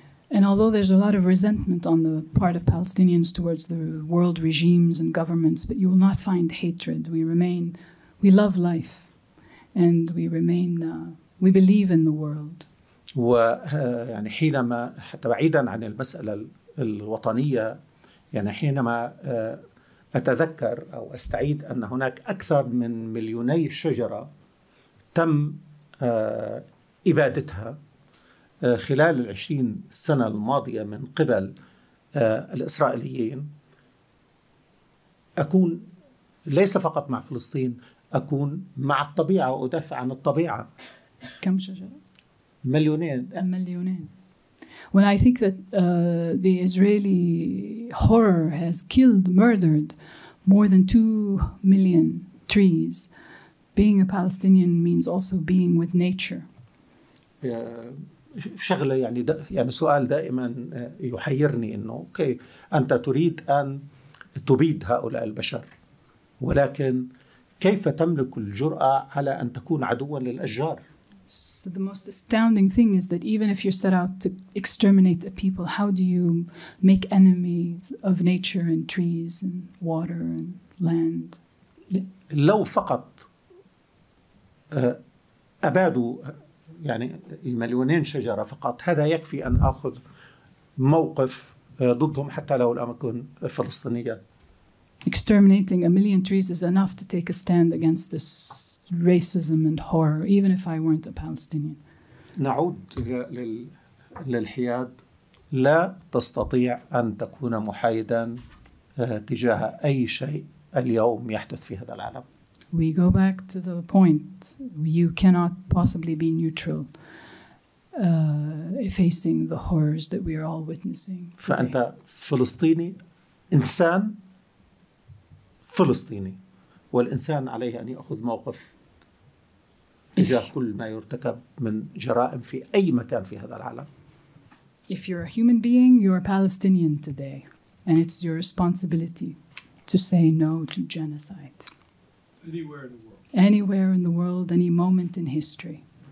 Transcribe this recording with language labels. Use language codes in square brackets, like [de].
[en] And although there's a lot of resentment on the part of Palestinians towards the world regimes and governments, but you will not find hatred. We love life, and we believe in the world. [ar] ويعني حينما حتى بعيدا عن المسألة الوطنية يعني حينما أتذكر أو أستعيد أن هناك أكثر من مليوني شجرة تم إبادتها خلال 20 سنة الماضية من قبل الإسرائيليين أكون ليس فقط مع فلسطين أكون مع الطبيعة وأدافع عن الطبيعة. كم شجرة؟ مليونين. [en] When I think that the Israeli horror has killed, murdered more than 2 million trees, being a Palestinian means also being with nature. [ar] شغلة يعني يعني سؤال دائما يحيرني إنه أوكي أنت تريد أن تبيد هؤلاء البشر ولكن كيف تملك الجرأة على أن تكون عدوا للأشجار؟ [en] So the most astounding thing is that even if you set out to exterminate a people, how do you make enemies of nature and trees and water and land? [ar] لو فقط أبادوا يعني المليونين شجرة فقط هذا يكفي أن أخذ موقف ضدهم حتى لو الأمر يكون فلسطينيا. [en] Exterminating a million trees is enough to take a stand against this racism and horror, even if I weren't a Palestinian. [ar] نعود للحياد لا تستطيع أن تكون محايدا تجاه أي شيء اليوم يحدث في هذا العالم. [en] We go back to the point. You cannot possibly be neutral facing the horrors that we are all witnessing today. [ar] فأنت فلسطيني إنسان فلسطيني والإنسان عليه أن يأخذ موقف تجاه كل ما يرتكب من جرائم في أي مكان في هذا العالم. [en] If you're a human being, you're a Palestinian today, and it's your responsibility to say no to genocide. Anywhere in the world. Anywhere in the world, any moment in history.